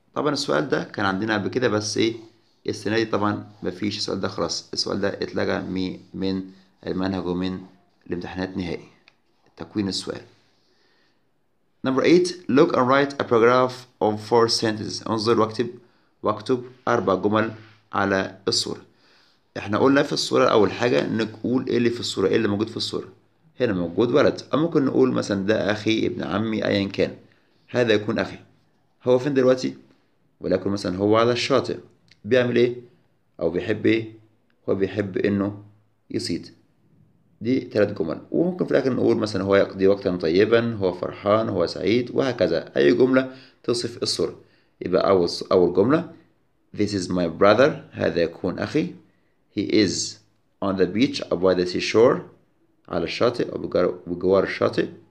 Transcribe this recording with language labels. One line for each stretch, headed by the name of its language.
Arabic: طبعا السؤال ده كان عندنا قبل كده بس السنة دي طبعا مفيش سؤال ده خلاص. السؤال ده اتلغى من المنهج ومن الامتحانات نهائي. تكوين السؤال.
English: Number 8 look and write a paragraph of 4 sentences.
Arabic: انظر واكتب 4 جمل على الصورة. احنا قلنا في الصورة اول حاجة نقول ايه اللي في الصورة، ايه اللي موجود في الصورة. هنا موجود ولد او ممكن نقول مثلا ده اخي ابن عمي ايا كان. هذا يكون اخي. هو فين دلوقتي؟ ولكن مثلا هو على الشاطئ بيعمل ايه او بيحب ايه؟ هو بيحب انه يصيد. دي 3 جمل. وممكن في الاخر نقول مثلا هو يقضي وقتا طيبا، هو فرحان، هو سعيد، وهكذا. اي جملة تصف الصورة. يبقى اول جملة
English: This is my brother.
Arabic: هذا يكون أخي.
English: He is on the beach or by the seashore.
Arabic: على الشاطئ أو بجوار الشاطئ.